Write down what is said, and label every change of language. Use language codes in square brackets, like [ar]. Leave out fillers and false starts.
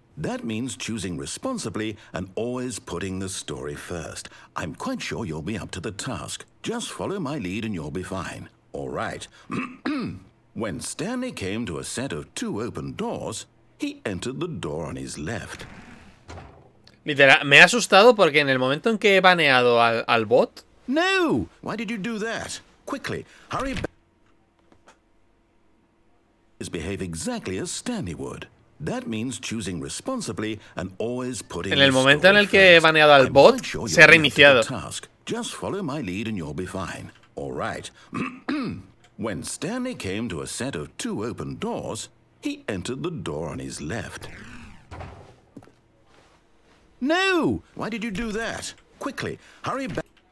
[en] That means choosing responsibly and always putting the story first. I'm quite sure you'll be up to the task. Just follow my lead and you'll be fine. All right. When Stanley came to a set of two open doors, he entered the door on his left. [es] Literal, me he asustado porque en el momento en que he baneado al bot. [en] No! Why did you do that? Quickly, hurry back. Is behave exactly as Stanley would. That means choosing responsibly and always putting. [es] En el momento en el que he baneado al bot, se ha reiniciado. [en] Just follow my lead and you'll be fine. All right. When Stanley came to a set of two open doors, he entered the door on his left. No! Why did you do that? Quickly, hurry back.